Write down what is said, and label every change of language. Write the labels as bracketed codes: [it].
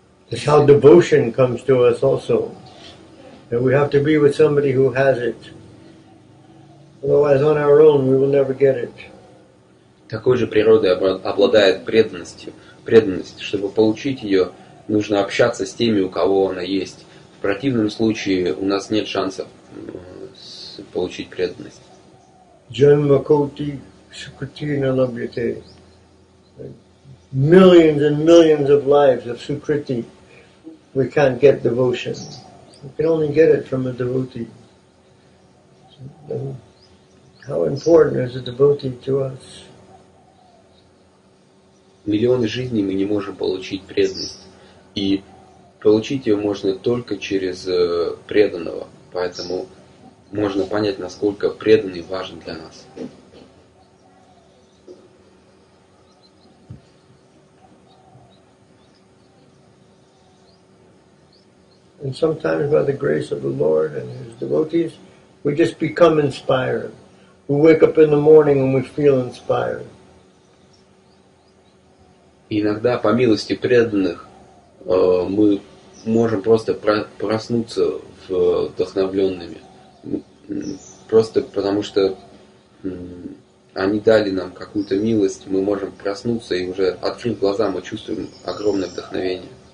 [en] That's how devotion comes to us also. And we have to be with somebody who has it. Otherwise, on our own, we will never get it. [ru] Такой же природой обладает преданностью. Преданность, чтобы получить ее, нужно общаться с теми, у кого она есть. В противном случае у нас нет шансов получить преданность. [sa] Janma koti sukriti na labhyate. [en] Millions and millions of lives of sukriti. We can't get devotion. We can only get it from a devotee. How important is a devotee to us? [ru] Миллионы жизней мы не можем получить преданность. И получить ее можно только через преданного. Поэтому можно понять, насколько преданный важен для нас. [en] And sometimes by the grace of the Lord and His devotees, we just become inspired. We wake up in the morning and we feel inspired. [ru] Иногда по милости преданных мы можем просто проснуться вдохновленными, просто потому что они дали нам какую-то милость, мы можем проснуться и уже открыв глаза, мы чувствуем огромное вдохновение.